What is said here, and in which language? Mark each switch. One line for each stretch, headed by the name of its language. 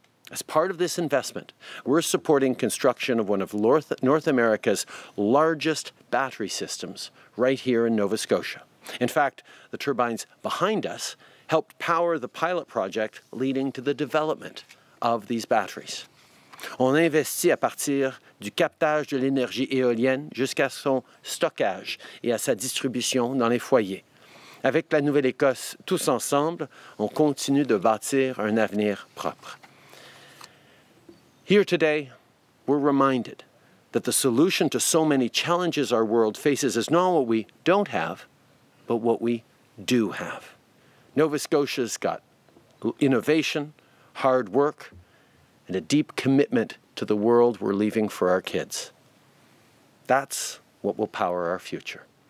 English: As part of this investment, we're supporting construction of one of North America's largest battery systems right here in Nova Scotia. In fact, the turbines behind us helped power the pilot project leading to the development of these batteries.
French: On investit à partir du captage de l'énergie éolienne jusqu'à son stockage et à sa distribution dans les foyers. Avec la Nouvelle-Écosse tous ensemble, on continue de bâtir un avenir propre.
English: Here today, we're reminded that the solution to so many challenges our world faces is not what we don't have, but what we do have. Nova Scotia's got innovation, hard work, and a deep commitment to the world we're leaving for our kids. That's what will power our future.